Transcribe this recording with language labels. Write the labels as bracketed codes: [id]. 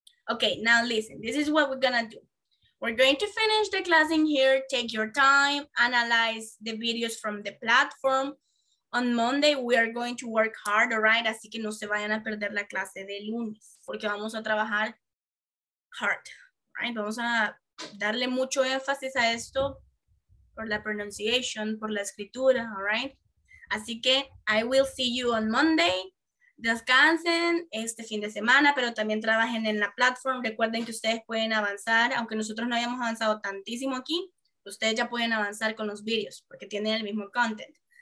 [en] Okay, now listen, this is what we're gonna do. We're going to finish the class in here, take your time, analyze the videos from the platform. On Monday, we are going to work hard, all right? [es] Así que no se vayan a perder la clase de lunes, porque vamos a trabajar [en] hard, right? [es] Vamos a darle mucho énfasis a esto por la pronunciation, por la escritura, [en] all right? [es] Así que [en] I will see you on Monday. [es] Descansen este fin de semana, pero también trabajen en la platform. Recuerden que ustedes pueden avanzar, aunque nosotros no hayamos avanzado tantísimo aquí, ustedes ya pueden avanzar con los videos porque tienen el mismo content.